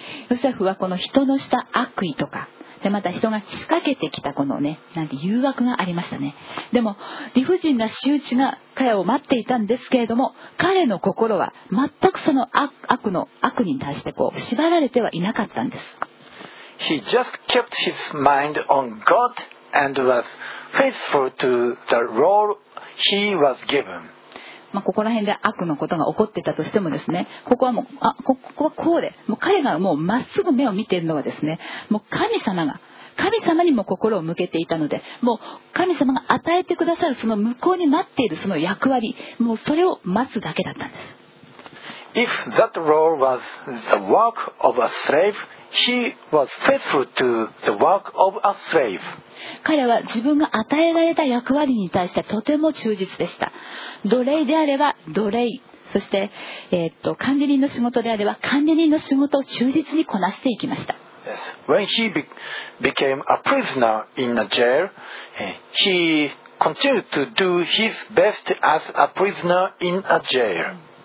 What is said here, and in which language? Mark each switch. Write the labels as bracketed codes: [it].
[ja] ヨセフはこの人のした悪意とかでまた人が仕掛けてきたこのね、なんて誘惑がありましたね。でも理不尽な仕打ちが彼を待っていたんですけれども、彼の心は全くその悪に対してこう縛られてはいなかったんです。 [en] He just kept his mind on God and was faithful to the role he was given。 [ja] まあ、ここら辺で悪のことが起こってたとしてもですね、ここはもう、あ、ここはこうで、もう彼がもうまっすぐ目を見ているのはですね、もう神様が、神様にも心を向けていたので、もう神様が与えてくださるその向こうに待っているその役割、もうそれを待つだけだったんです。 [en] If that role was the work of a slave, he was faithful to the work of a slave. [ja] 彼は自分が与えられた役割に対してとても忠実でした。奴隷であれば奴隷、そして、管理人の仕事であれば管理人の仕事を忠実にこなしていきました。 [en] Yes. When he became a prisoner in a jail, he continued to do his best as a prisoner in a jail.